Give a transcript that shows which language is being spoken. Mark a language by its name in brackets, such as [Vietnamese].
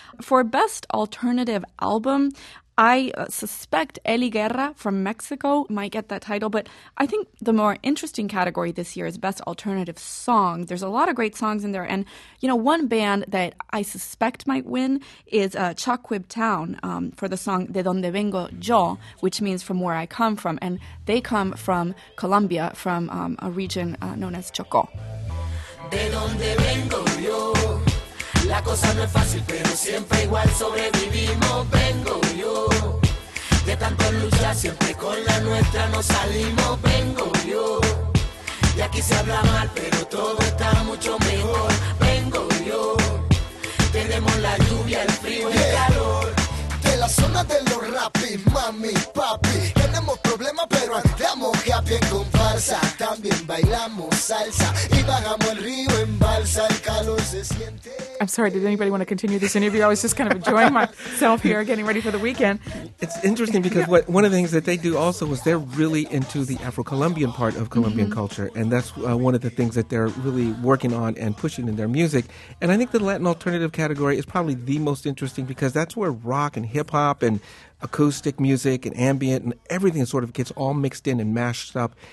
[English] For best alternative album, I suspect Eli Guerra from Mexico might get that title, but I think the more interesting category this year is best alternative song. There's a lot of great songs in there. And, you know, one band that I suspect might win is Chocquib Town for the song De Donde Vengo Yo, which means from where I come from. And they come from Colombia, from a region known as Chocó. [Spanish] De donde vengo yo, la cosa no es fácil, pero siempre igual sobrevivimos. Vengo yo, de tanto luchar, siempre con la nuestra no salimos. Vengo yo, y aquí se habla mal, pero todo está mucho mejor. Vengo yo, tenemos la lluvia, el frío y el calor. De la zona de los rapis, mami, papi, tenemos problemas, pero andamos happy en comparsa. También bailamos salsa y bajamos el río en balsa, el calor se siente. [English] I'm sorry, did anybody want to continue this interview? I was just kind of enjoying myself here, getting ready for the weekend. It's interesting because one of the things that they do also is they're really into the Afro-Colombian part of Colombian mm-hmm. culture. And that's one of the things that they're really working on and pushing in their music. And I think the Latin alternative category is probably the most interesting because that's where rock and hip-hop and acoustic music and ambient and everything sort of gets all mixed in and mashed up.